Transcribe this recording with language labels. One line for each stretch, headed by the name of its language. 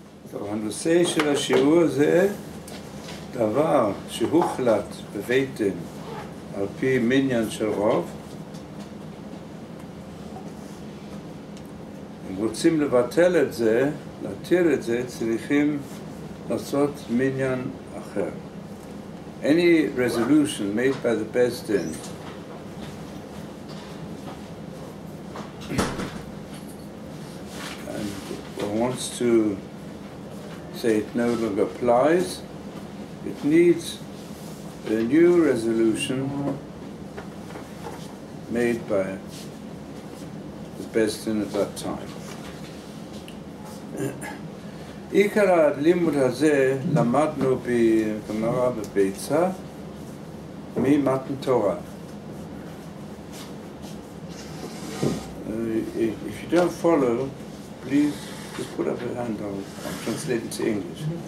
Hebrew: טוב, הנושא של השיעור זה דבר שהוחלט בבית דין על פי מניין של רוב. אם רוצים לבטל את זה, להתיר את זה, צריכים לעשות מניין אחר.
English: Any resolution made by the Beis Din and wants to say it no longer applies, it needs a new resolution made by the Beis Din at that time.
Hebrew: עיקר הלימוד הזה למדנו בגמרא בביצה ממתן תורה.
English: If you don't follow, please just put up your hand or I'll translate it to English.